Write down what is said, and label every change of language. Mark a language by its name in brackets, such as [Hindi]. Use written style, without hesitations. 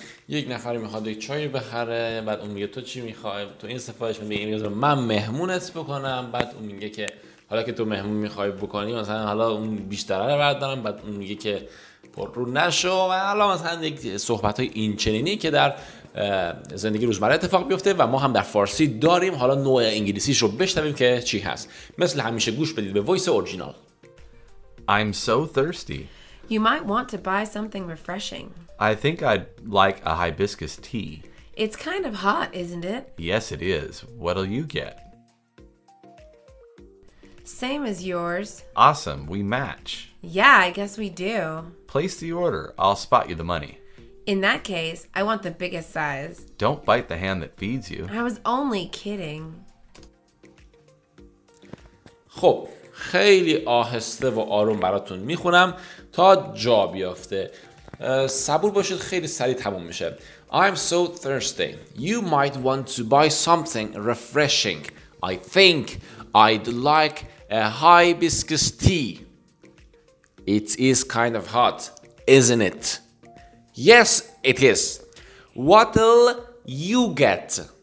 [Persian] یک نفری میخواد یک چای بخره، بعد اون میگه تو چی میخوای؟ تو این سفارش میگه اینو من مهمونت بکنم، بعد اون میگه که حالا که تو مهمون میخوای بکنی مثلا حالا اون بیشتره رو بردارم، بعد اون میگه که پر رو نشو، و حالا مثلا یک صحبت های اینچنینی که در زندگی روزمره اتفاق بیفته و ما هم در فارسی داریم. حالا نوع انگلیسیش رو بشنویم که چی هست. مثل همیشه گوش بدید به [English] Voice original. I'm so thirsty. You might want to buy something refreshing. I think I'd like a hibiscus tea. It's kind of hot, isn't it? Yes, it is. What'll you get? Same as yours. Awesome, we match. Yeah, I guess we do. Place the order. I'll spot you the money. In that case, I want the biggest size. Don't bite the hand that feeds you. I was only kidding. [Persian] خب خیلی آهسته و آروم براتون میخونم تا جا بیافته. صبور باشید، خیلی سریع تموم میشه. [English] I'm so thirsty. You might want to buy something refreshing. I think I'd like a hibiscus tea. It is kind of hot, isn't it? Yes, it is. What'll you get?